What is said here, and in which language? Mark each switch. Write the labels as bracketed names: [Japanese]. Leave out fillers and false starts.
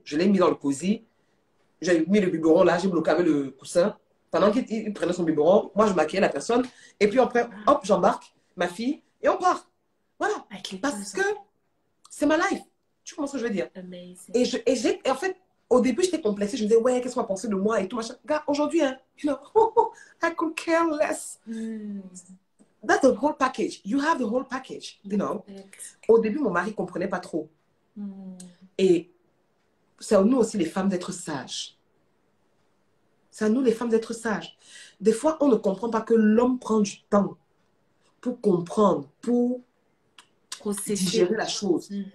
[French] Je l'ai mis dans le cosy. J'ai mis le biberon là, j'ai bloqué avec le coussin. Pendant qu'il prenait son biberon, moi je maquillais la personne. Et puis après, hop, j'embarque ma fille et on part. Voilà. Parce que c'est ma life. Tu comprends ce que je veux dire? [English] Amazing. [French] Et en fait, au début, j'étais complexée. Je me disais, ouais, qu'est-ce qu'on va penser de moi et tout machin. Gars, aujourd'hui, hein, [English] you know, I could care less. That's the whole package. You have the whole package, you know. [French] Au début, mon mari ne comprenait pas trop. Et c'est à nous aussi, les femmes, d'être sages. C'est à nous, les femmes, d'être sages. Des fois, on ne comprend pas que l'homme prend du temps pour comprendre, pour digérer la chose.